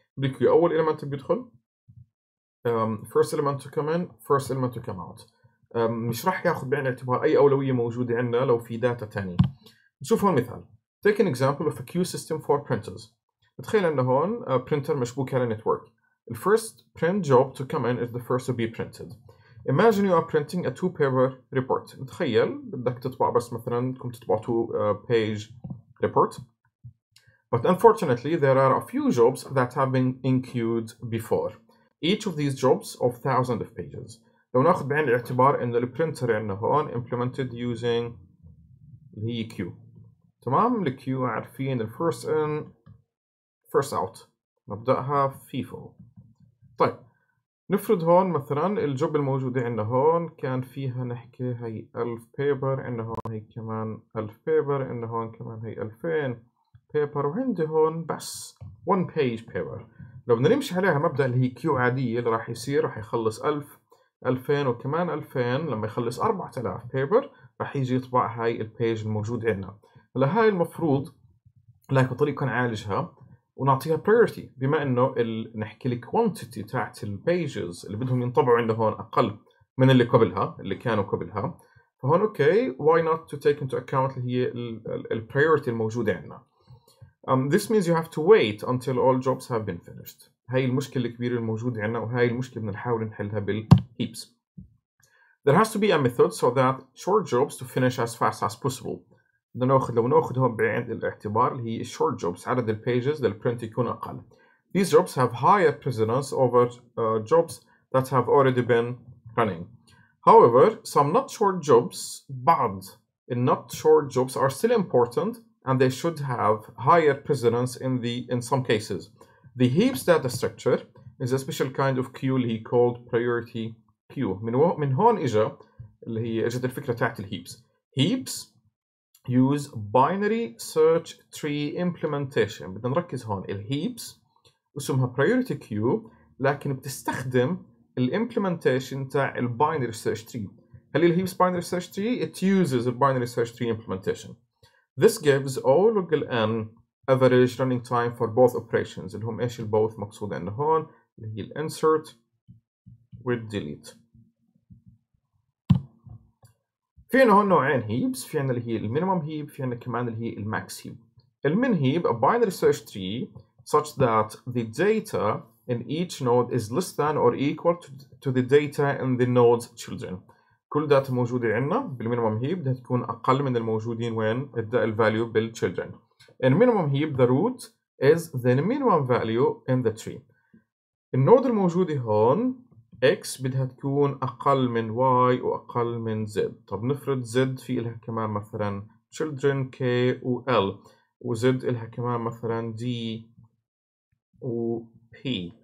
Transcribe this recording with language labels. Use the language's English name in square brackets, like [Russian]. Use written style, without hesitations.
[Arabic] بالكيو اول [English] element [Arabic] بيدخل [English] first element to come in, first element to come out. [Arabic] مش راح ياخذ بعين الاعتبار اي اولويه موجوده عندنا لو في داتا ثانيه. نشوف هون مثال. [English] Take an example of a queue system for printers. [Arabic] تخيل انه هون printer مشبوك على network. [English] The first print job to come in is the first to be printed. Imagine you are printing a two paper report. [Arabic] تخيل بدك تطبع بس مثلا تكون تطبع [English] two page report. But unfortunately, there are a few jobs that have been in queued before. Each of these jobs of thousands of pages. [Arabic] لو ناخذ بعين الاعتبار انه البرنتر عندنا هون [English] implemented using the queue. [Arabic] تمام الكيو عارفين ال [English] first in first out [Arabic] مبدأها FIFO. طيب نفرض هون مثلا الجوب الموجودة عندنا هون كان فيها نحكي هي 1000 paper عندنا هون هي كمان 1000 paper عندنا هون كمان هي 2000 paper وعندي هون بس 1 page paper. لو بدنا نمشي عليها مبدأ اللي هي كيو عادية اللي راح يصير راح يخلص 1000 2000 وكمان 2000 لما يخلص 4000 paper راح يجي يطبع هاي البيج الموجود عندنا. هلا هاي المفروض لك بطريقة نعالجها ونعطيها priority بما انه نحكي الكوانتيتي تاعت البيجز اللي بدهم ينطبعوا عندنا هون اقل من اللي قبلها اللي كانوا قبلها فهون اوكي [English] why not to take into account [Arabic] اللي هي البريورتي الموجودة عندنا. [English] This means you have to wait until all jobs have been finished. [Arabic] هاي المشكلة الكبيرة الموجودة عندنا وهاي المشكلة بنحاول نحلها بالheaps. [English] There has to be a method so that short jobs to finish as fast as possible. [Arabic] لو ناخذ هون بعين الاعتبار اللي هي [English] short jobs [Arabic] عدد البيجز للبرنت يكون اقل. [English] These jobs have higher precedence over jobs that have already been running. However, some not short jobs, [Arabic] بعض ال [English] not short jobs are still important and they should have higher precedence in some cases. The heaps data structure is a special kind of queue [Arabic] اللي هي [English] called priority queue. [Arabic] من هون اجى اللي هي اجت الفكره تاعت الهيبس. [English] Heaps use binary search tree implementation. [Arabic] بدنا نركز هون الهيبس اسمها priority queue لكن بتستخدم الimplementation تاع البينري سيرش تري. هل الهيبس [English] binary search tree? It uses a binary search tree implementation. This gives O local N average running time for both operations. [Arabic] اللي هم ايش البوث مقصود عندنا هون اللي هي الانسرت والديليت. في عندنا هون نوعين هيبس، في عندنا اللي هي المينيمم هيب، في عندنا كمان اللي هي الماكس هيب. المين هيب [English] a binary search tree such that the data in each node is less than or equal to the data in the node's children. [Arabic] كل داتا موجوده عندنا بالمينيمم هيب بدها تكون اقل من الموجودين وين الفاليو بالتشيلدرن. [English] In minimum heap, the root is the minimum value in the tree. [Arabic] النود الموجودة هون X بدها تكون أقل من Y وأقل من Z. طب نفرض Z في إلها كمان مثلا children K و L و Z إلها كمان مثلا D و P.